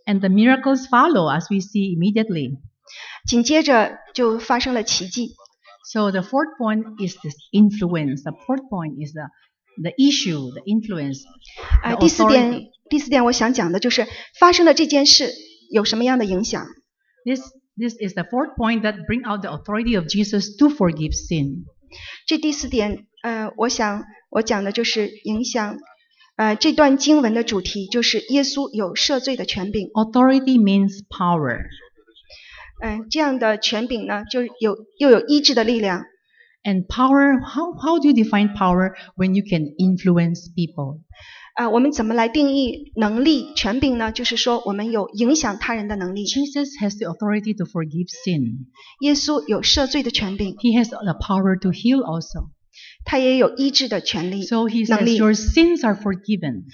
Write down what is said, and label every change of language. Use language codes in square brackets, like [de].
[en] And the miracles follow as we see immediately. [zh] 紧接着就发生了奇迹。 [en] So the fourth point is this influence. The fourth point is the issue, the influence. The [zh] 第四点我想讲的就是发生了这件事有什么样的影响。 [en] This is the fourth point that bring out the authority of Jesus to forgive sin. [zh] 这第四点，我想我讲的就是影响。这段经文的主题就是耶稣有赦罪的权柄。 [en] Authority means power. [zh] 这样的权柄呢，就有又有医治的力量。 [en] And power, how do you define power when you can influence people? [zh] 我们怎么来定义能力权柄呢？就是说，我们有影响他人的能力。 [en] Jesus has the authority to forgive sin. [zh] 耶稣有赦罪的权柄。 [en] He has the power to heal also. [zh] 他也有医治的权利。 [en] So he says your sins are forgiven.